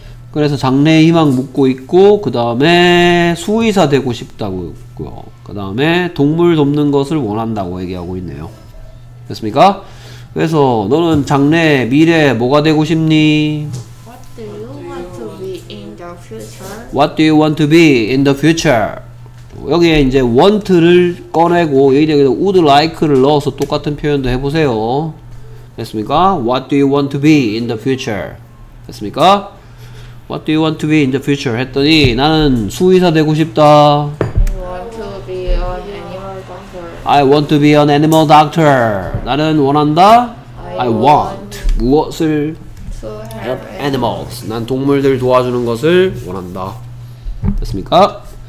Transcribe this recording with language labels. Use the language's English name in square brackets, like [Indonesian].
[Korean] 그래서 장래 희망 묻고 있고 그 다음에 수의사 되고 싶다고 했고요. 그 다음에 동물 돕는 것을 원한다고 얘기하고 있네요. 됐습니까? 그래서 너는 장래 미래 뭐가 되고 싶니? [English] What do you want to be in the future? What do you want to be in the future? [Korean] 여기에 이제 want를 꺼내고 여기에 would like를 넣어서 똑같은 표현도 해보세요. 됐습니까? [English] What do you want to be in the future? [Korean] 됐습니까? [English] What do you want to be in the future? [Korean] 했더니 나는 수의사 되고 싶다. [English] I want to be an animal doctor. [Korean] 나는 원한다? [English] I want [Korean] 무엇을? [English] To help animals. [Korean] 난 동물들 도와주는 것을 원한다. 됐습니까?